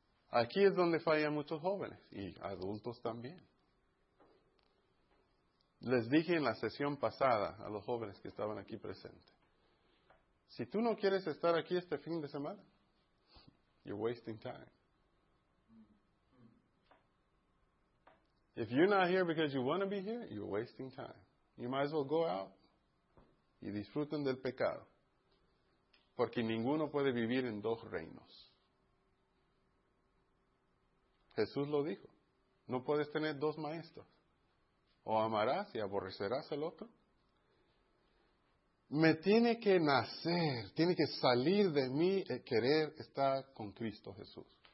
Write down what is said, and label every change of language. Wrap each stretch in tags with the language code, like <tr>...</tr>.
<es>Aquí es donde fallan muchos jóvenes y adultos también. Les dije en la sesión pasada a los jóvenes que estaban aquí presentes, si tú no quieres estar aquí este fin de semana,</es> <en>you're wasting time. If you're not here because you want to be here, you're wasting time. You might as well go out</en> <es>y disfruten del pecado. Porque ninguno puede vivir en dos reinos. Jesús lo dijo. No puedes tener dos maestros. O amarás y aborrecerás al otro. me tiene que nacer, tiene que salir de mí querer estar con Cristo Jesús.</es>